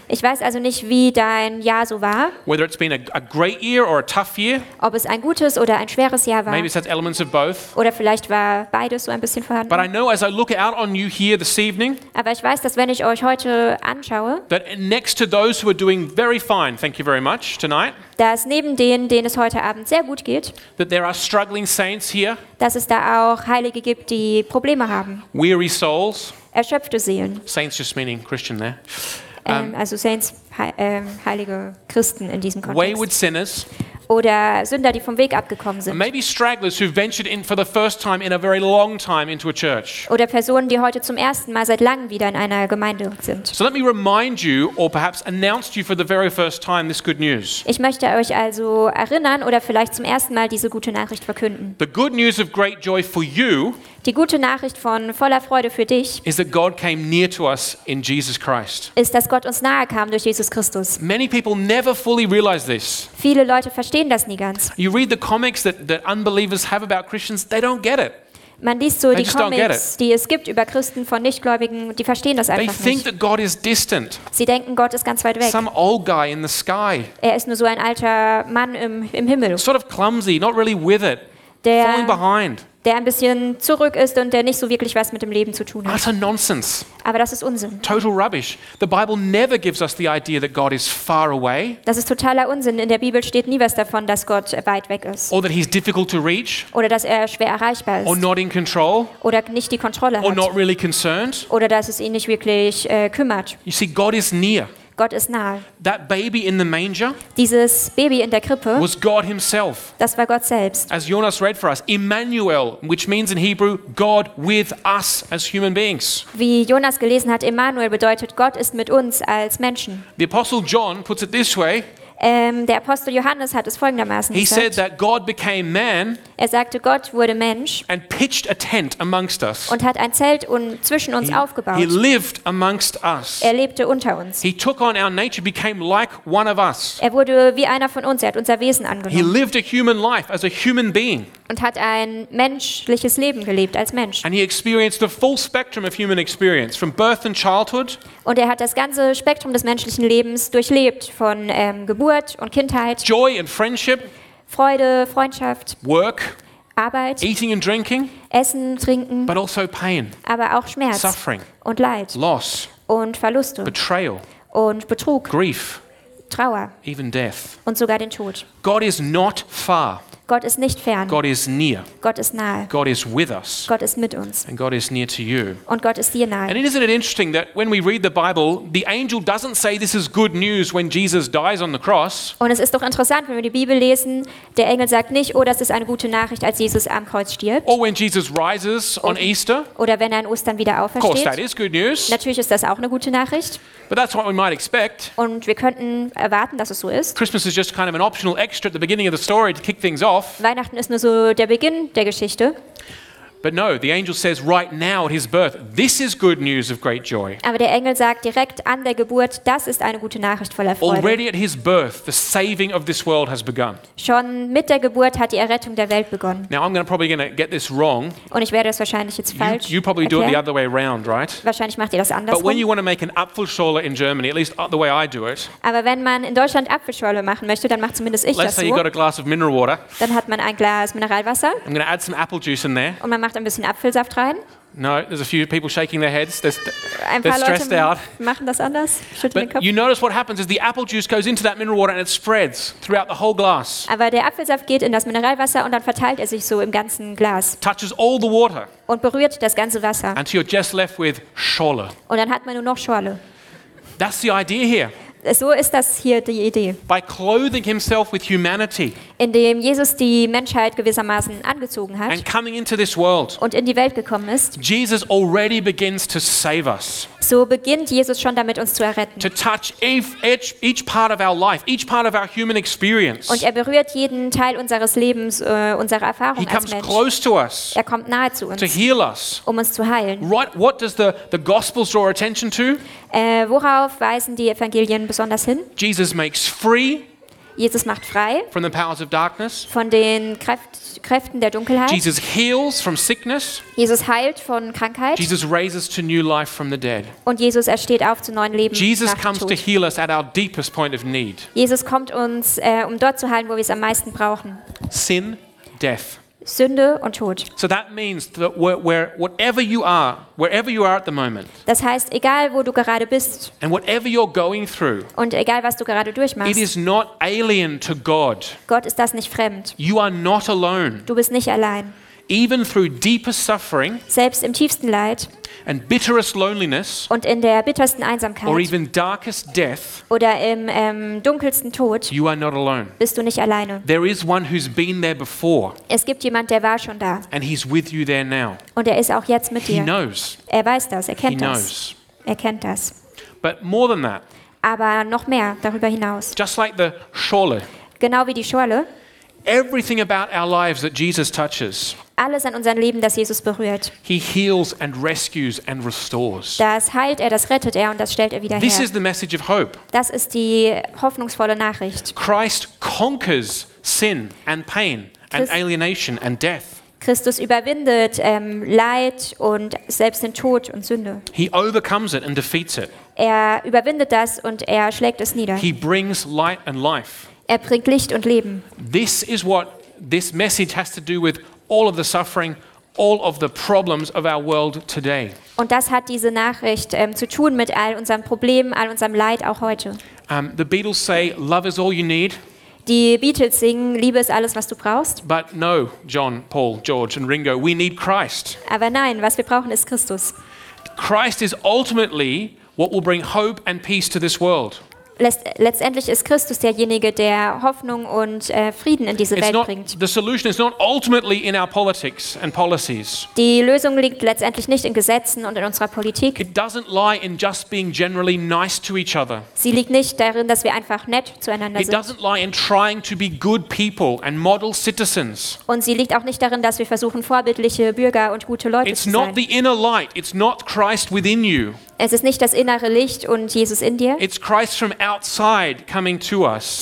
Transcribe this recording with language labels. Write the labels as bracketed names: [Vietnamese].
[German] Ich weiß also nicht, wie dein Jahr so war. [English] Whether it's been a great year or a tough year. [German] Ob es ein gutes oder ein schweres Jahr war. [English] Maybe it's had elements of both. [German] Oder vielleicht war beides so ein bisschen vorhanden. [English] But I know as I look out on you here this evening. [German] Aber ich weiß, dass wenn ich euch heute anschaue, [English] that next to those who are doing very fine, thank you very much tonight. [German] Dass neben denen es heute Abend sehr gut geht. [English] That there are struggling saints here. [German] Dass es da auch Heilige gibt, die Probleme haben. [English] Weary souls. [German] Erschöpfte Seelen. [English] Saints just meaning Christian there. [German] Also Saints, heilige Christen in diesem Kontext. [English] Wayward sinners. [German] Oder Sünder, die vom Weg abgekommen sind. [English] Maybe stragglers who ventured in for the first time in a very long time into a church. [German] Oder Personen, die heute zum ersten Mal seit langem wieder in einer Gemeinde sind. [English] So let me remind you or perhaps announce to you for the very first time this good news. [German] Ich möchte euch also erinnern oder vielleicht zum ersten Mal diese gute Nachricht verkünden. [English] The good news of great joy for you. [German] Die gute Nachricht von voller Freude für dich. [English] Is that God came near to us in Jesus Christ. [German] Ist, dass Gott uns nahe kam durch Jesus Christus. [English] Many people never fully realize this. [German] Viele Leute verstehen das nie ganz. [English] You read the comics that unbelievers have about Christians, they don't get it. [German] Man liest so die Comics, die es gibt über Christen von Nichtgläubigen, die verstehen das einfach nicht. [English] That God is distant. [German] Sie denken, Gott ist ganz weit weg. [English] Some old guy in the sky. [German] Er ist nur so ein alter Mann im Himmel. [English] Sort of clumsy, not really with it. Falling behind. [German] Der ein bisschen zurück ist und der nicht so wirklich was mit dem Leben zu tun hat. [English] Utter nonsense. [German] Aber das ist Unsinn. [English] Total rubbish. The Bible never gives us the idea that God is far away. [German] Das ist totaler Unsinn. In der Bibel steht nie was davon, dass Gott weit weg ist. [English] Or that he's difficult to reach. [German] Oder dass er schwer erreichbar ist. [English] Or not in control. [German] Oder nicht die Kontrolle hat. [English] Or not really concerned. [German] Oder dass es ihn nicht wirklich kümmert. [English] You see, God is near. [German] Gott ist nahe. [English] That baby in the manger. [German] Dieses Baby in der Krippe. [English] Was God himself. [German] Das war Gott selbst. [English] As Jonas read for us, Emmanuel, which means in Hebrew God with us as human beings. [German] Wie Jonas gelesen hat, Emmanuel bedeutet Gott ist mit uns als Menschen. [English] The Apostle John puts it this way. [German] Der Apostel Johannes hat es folgendermaßen [English] he [German] gesagt. [English] Said that God became man. [German] Er sagte, Gott wurde Mensch. [English] And pitched a tent amongst us. [German] Und hat ein Zelt zwischen uns aufgebaut. [English] He lived amongst us. [German] Er lebte unter uns. [English] He took on our nature, became like one of us. [German] Er wurde wie einer von uns. Er hat unser Wesen angenommen. [English] He lived a human life as a human being. [German] Und hat ein menschliches Leben gelebt als Mensch. [English] And he experienced the full spectrum of human experience from birth and childhood. [German] Und er hat das ganze Spektrum des menschlichen Lebens durchlebt von Geburt und Kindheit. [English] Joy and friendship. [German] Freude, Freundschaft. [English] Work. [German] Arbeit. [English] Eating and drinking. [German] Essen, Trinken. [English] But also pain. [German] Aber auch Schmerz. [English] Suffering. [German] Und Leid. [English] Loss. [German] Und Verluste. [English] Betrayal. [German] Und Betrug. [English] Grief. [German] Trauer. [English] Even death. [German] Und sogar den Tod. [English] God is not far. [German] Gott ist nicht fern. [English] God is near. [German] Gott ist nahe. [English] God is with us. [German] Gott ist mit uns. [English] And God is near to you. [German] Und Gott ist dir nahe. [English] And isn't it interesting that when we read the Bible, the angel doesn't say this is good news when Jesus dies on the cross. [German] Und es ist doch interessant, wenn wir die Bibel lesen, der Engel sagt nicht, oh, das ist eine gute Nachricht, als Jesus am Kreuz stirbt. [English] Or when Jesus rises on Easter. [German] Oder wenn er an Ostern wieder aufersteht. [English] Of course, that is good news. [German] Natürlich ist das auch eine gute Nachricht. [English] But that's what we might expect. [German] Und wir könnten erwarten, dass es so ist. [English] Christmas is just kind of an optional extra at the beginning of the story to kick things off. [German] Weihnachten ist nur so der Beginn der Geschichte. [English] But no, the angel says right now at his birth, this is good news of great joy. [German] Aber der Engel sagt direkt an der Geburt, das ist eine gute Nachricht voller Freude. [English] Already at his birth, the saving of this world has begun. [German] Schon mit der Geburt hat die Errettung der Welt begonnen. [English] Now I'm probably gonna get this wrong. [German] Und ich werde das wahrscheinlich jetzt falsch erklären. [English] You probably do it the other way around, right? [German] Wahrscheinlich macht ihr das andersrum. [English] But when you want to make an Apfelschorle in Germany, at least the way I do it. [German] Aber wenn man in Deutschland Apfelschorle machen möchte, dann macht zumindest ich das so. [English] Let's say you got a glass of mineral water. [German] Dann hat man ein Glas Mineralwasser. [English] I'm gonna add some apple juice in there. [German] Und man macht ein bisschen Apfelsaft rein. [English] No, there's a few people shaking their heads. They're stressed out. [German] Machen das anders. Schütteln den Kopf. [English] You notice what happens is the apple juice goes into that mineral water and it spreads throughout the whole glass. [German] Aber der Apfelsaft geht in das Mineralwasser und dann verteilt sich so im ganzen Glas. [English] Touches all the water. [German] Und berührt das ganze Wasser. [English] And you're just left with Schorle. [German] Und dann hat man nur noch Schorle. [English] That's the idea here. [German] So ist das hier die Idee. [English] By clothing himself with humanity. [German] Indem Jesus die Menschheit gewissermaßen angezogen hat. [English] And coming into this world. [German] Und in die Welt gekommen ist. [English] Jesus already begins to save us. [German] So beginnt Jesus schon damit, uns zu erretten. [English] To touch each part of our life, each part of our human experience. [German] Und er berührt jeden Teil unseres Lebens, unserer Erfahrung als Mensch. [English] He comes close to us. [German] Er kommt nahe zu uns. [English] To heal us. [German] Um uns zu heilen. [English] What does the gospels draw attention to? [German] Worauf weisen die Evangelien besonders hin? [English] Jesus makes free. [German] Jesus macht frei. [English] From the powers of darkness. [German] Von den Kräften der Dunkelheit. [English] Jesus heals from sickness. [German] Jesus heilt von Krankheit. [English] Jesus raises to new life from the dead. [German] Und Jesus ersteht auf zu neuen Leben. [English] Jesus comes to heal us at our deepest point of need. [German] Jesus kommt uns, um dort zu heilen, wo wir es am meisten brauchen. [English] Sin, death. [German] Sünde und Tod. [English] So that means that whatever you are, wherever you are at the moment. [German] Das heißt, egal wo du gerade bist. [English] And whatever you're going through. [German] Und egal was du gerade durchmachst. [English] It is not alien to God. [German] Gott ist das nicht fremd. [English] You are not alone. [German] Du bist nicht allein. [English] Even through deepest suffering. [German] Selbst im tiefsten Leid. [English] And bitterest loneliness. [German] Und in der bittersten Einsamkeit. [English] Or even darkest death. [German] Oder im dunkelsten Tod. [English] You are not alone. [German] Bist du nicht alleine. [English] There is one who's been there before. [German] Es gibt jemand, der war schon da. [English] And he's with you there now. [German] Und er ist auch jetzt mit dir. [English] He knows. [German] Er weiß das. Er kennt [English] he knows. [German] Das. Er kennt das. [English] But more than that. [German] Aber noch mehr darüber hinaus. [English] Just like the Schorle. [German] Genau wie die Schorle. [English] Everything about our lives that Jesus touches. [German] Alles an unserem Leben, das Jesus berührt. [English] He heals and rescues and restores. [German] Das heilt er, das rettet er und das stellt er wieder her. [English] This is the message of hope. [German] Das ist die hoffnungsvolle Nachricht. [English] Christ conquers sin and pain and alienation and death. [German] Christus überwindet Leid und selbst den Tod und Sünde. [English] He overcomes it and defeats it. [German] Er überwindet das und er schlägt es nieder. [English] He brings light and life. [German] Er bringt Licht und Leben. [English] This is what this message has to do with all of the suffering, all of the problems of our world today. [German] Und das hat diese Nachricht zu tun mit all unseren Problemen, all unserem Leid auch heute. [English] The Beatles say, "Love is all you need." [German] Die Beatles singen, Liebe ist alles, was du brauchst. [English] But no, John, Paul, George and Ringo, we need Christ. [German] Aber nein, was wir brauchen ist Christus. [English] Christ is ultimately what will bring hope and peace to this world. [German] Letztendlich ist Christus derjenige, der Hoffnung und Frieden in diese Welt bringt. [English] The solution is not ultimately in our politics and policies. [German] Die Lösung liegt letztendlich nicht in Gesetzen und in unserer Politik. [English] It doesn't lie in just being generally nice to each other. [German] Sie liegt nicht darin, dass wir einfach nett zueinander sind. [English] It doesn't lie in trying to be good people and model citizens. [German] Und sie liegt auch nicht darin, dass wir versuchen, vorbildliche Bürger und gute Leute zu sein. [English] It's not the inner light. It's not Christ within you. [German] Es ist nicht das innere Licht und Jesus in dir. [English] It's Christ from outside coming to us.